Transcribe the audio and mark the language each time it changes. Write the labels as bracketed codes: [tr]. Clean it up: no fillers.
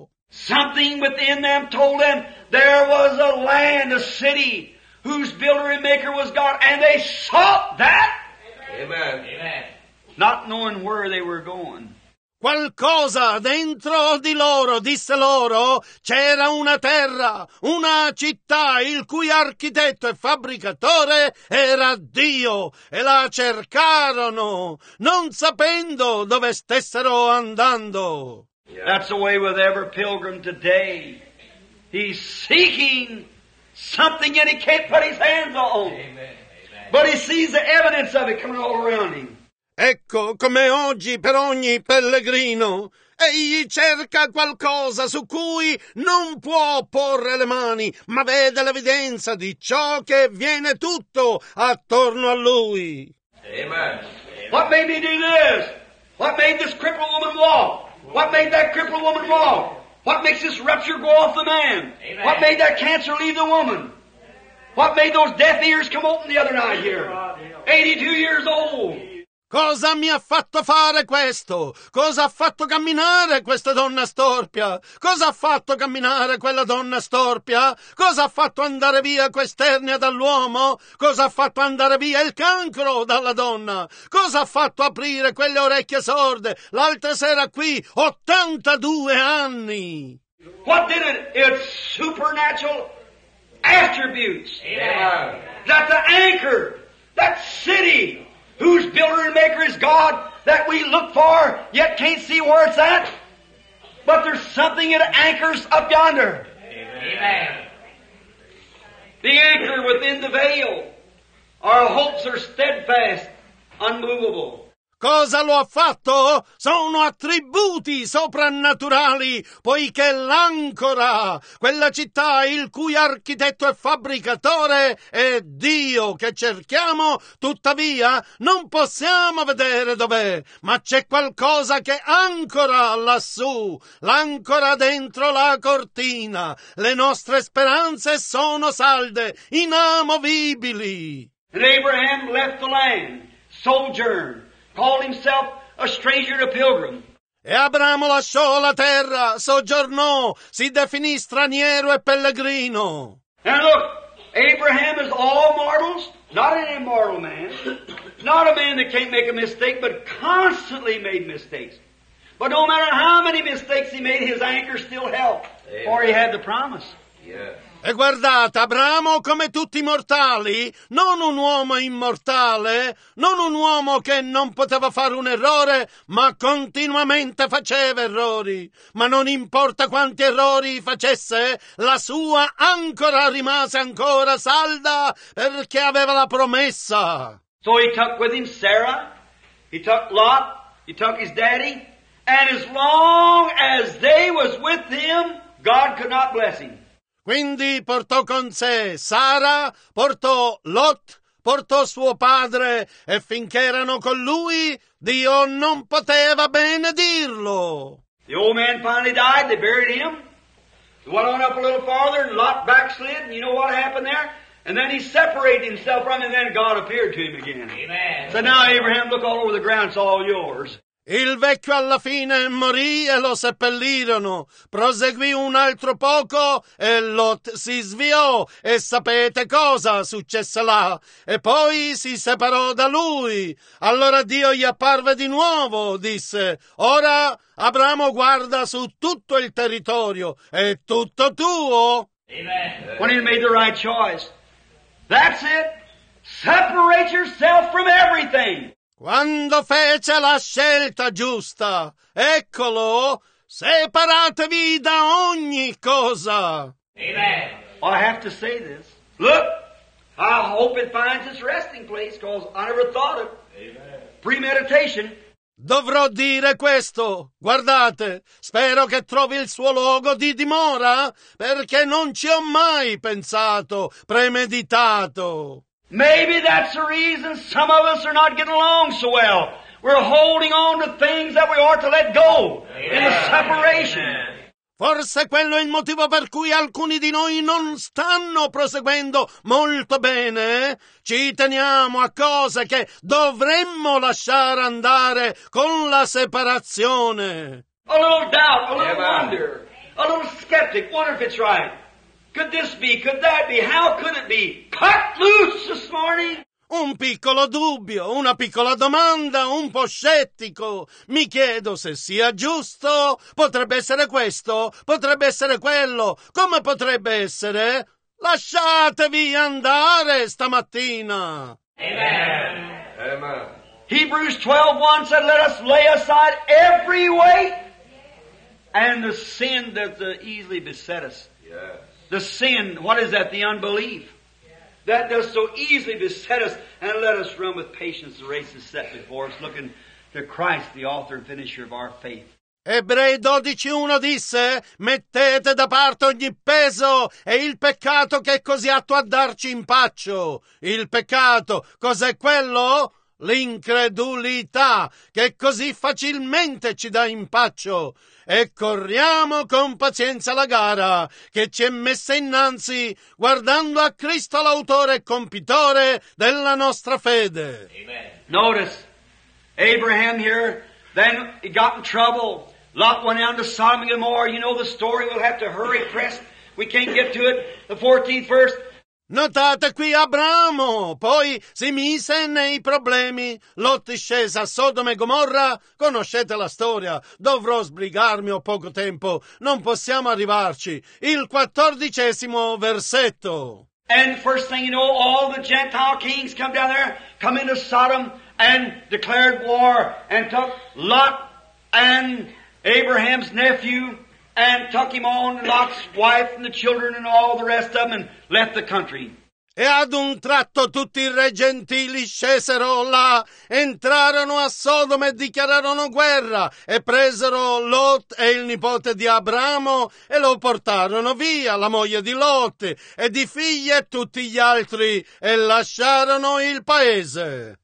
[en] Something within them told them there was a land, a city, whose builder and maker was God, and they sought that. Amen. Amen. Not knowing where they were going. [it] Qualcosa dentro di loro disse loro: c'era una terra, una città, il cui architetto e fabbricatore era Dio, e la cercarono, non sapendo dove stessero andando. [en] Yeah. That's the way with every pilgrim today. He's seeking something that he can't put his hands on. Amen. But he sees the evidence of it coming all around him. [it] Ecco come oggi per ogni pellegrino, egli cerca qualcosa su cui non può porre le mani, ma vede l'evidenza di ciò che viene tutto attorno a lui. [en] Amen. What made me do this? What made this crippled woman walk? What made that crippled woman walk? What makes this rupture go off the man? Amen. What made that cancer leave the woman? What made those deaf ears come open the other night here? 82 years old. [it] Cosa mi ha fatto fare questo? Cosa ha fatto camminare questa donna storpia? Cosa ha fatto camminare quella donna storpia? Cosa ha fatto andare via quest'ernia dall'uomo? Cosa ha fatto andare via il cancro dalla donna? Cosa ha fatto aprire quelle orecchie sorde? L'altra sera qui, 82 anni! [en] What did it? It's supernatural attributes. Amen. That the anchor, that city, whose builder and maker is God, that we look for, yet can't see where it's at. But there's something that anchors up yonder. Amen. The anchor within the veil. Our hopes are steadfast, unmovable. [it] Cosa lo ha fatto? Sono attributi soprannaturali, poiché l'ancora, quella città il cui architetto e fabbricatore è Dio che cerchiamo, tuttavia non possiamo vedere dov'è, ma c'è qualcosa che ancora lassù, l'ancora dentro la cortina, le nostre speranze sono salde, inamovibili. [en] And Abraham left the land, sojourned. Called himself a stranger, a pilgrim. [it] E Abramo lasciò la terra, soggiornò, si definì straniero e pellegrino. [en] And look, Abraham is all mortals, not an immortal man, not a man that can't make a mistake, but constantly made mistakes. But no matter how many mistakes he made, his anchor still held, for he had the promise. Yeah. [it] E guardate, Abramo come tutti i mortali, non un uomo immortale, non un uomo che non poteva fare un errore, ma continuamente faceva errori. Ma non importa quanti errori facesse, la sua ancora rimase ancora salda perché aveva la promessa. [en] So he took with him Sarah, he took Lot, he took his daddy, and as long as they was with him, God could not bless him. [it] Quindi portò con sé Sara, portò Lot, portò suo padre, e finché erano con lui, Dio non poteva benedirlo. [en] The old man finally died, they buried him. He went on up a little farther, and Lot backslid, and you know what happened there? And then he separated himself from him, and then God appeared to him again. Amen. So now Abraham, look all over the ground, it's all yours. [it] Il vecchio alla fine morì e lo seppellirono. Proseguì un altro poco e Lot si sviò. E sapete cosa successe là? E poi si separò da lui. Allora Dio gli apparve di nuovo, disse. Ora Abramo guarda su tutto il territorio. È tutto tuo. [en] Amen. When he made the right choice. That's it. Separate yourself from everything. [it] Quando fece la scelta giusta, eccolo, separatevi da ogni cosa. [en] Amen. Well, I have to say this. Look, I hope it finds its resting place, because I never thought of premeditation. [it] Dovrò dire questo. Guardate, spero che trovi il suo luogo di dimora, perché non ci ho mai pensato, premeditato. [en] Maybe that's the reason some of us are not getting along so well. We're holding on to things that we ought to let go. Amen. In the separation. [it] Forse quello è il motivo per cui alcuni di noi non stanno proseguendo molto bene. Ci teniamo a cose che dovremmo lasciare andare con la separazione. [en] A little doubt, a little wonder, a little skeptic, wonder if it's right. Could this be? Could that be? How could it be? Cut loose this morning! [it] Un piccolo dubbio, una piccola domanda, un po' scettico. Mi chiedo se sia giusto. Potrebbe essere questo, potrebbe essere quello. Come potrebbe essere? Lasciatevi andare stamattina! [en] Amen! Amen! Hebrews 12:1 said, let us lay aside every weight and the sin that easily beset us. Yeah. The sin, what is that? The unbelief. That does so easily beset us, and let us run with patience the race is set before us, looking to Christ, the author and finisher of our faith. [it] Ebrei 12:1 disse, mettete da parte ogni peso e il peccato che è così atto a darci impaccio. Il peccato, cos'è quello? L'incredulità che così facilmente ci dà impaccio. E corriamo con pazienza la gara che ci è messa innanzi, guardando a Cristo, l'autore e compitore della nostra fede. [en] Amen. Notice, Abraham here, then he got in trouble. Lot went down to Sodom and Gomorrah. You know the story. We'll have to hurry, press. We can't get to it. The 14th verse. [it] Notate qui Abramo, poi si mise nei problemi. Lot scese a Sodoma e Gomorra. Conoscete la storia. Dovrò sbrigarmi, ho poco tempo. Non possiamo arrivarci. Il 14° versetto. [en] And first thing you know, all the Gentile kings come down there, come into Sodom and declared war and took Lot and Abraham's nephew and took him on, Lot's wife and the children and all the rest of them, and left the country. [it] E ad un tratto tutti i re gentili scesero là, entrarono a Sodoma e dichiararono guerra, e presero Lot e il nipote di Abramo, e lo portarono via, la moglie di Lot, e di figli e tutti gli altri, e lasciarono il paese.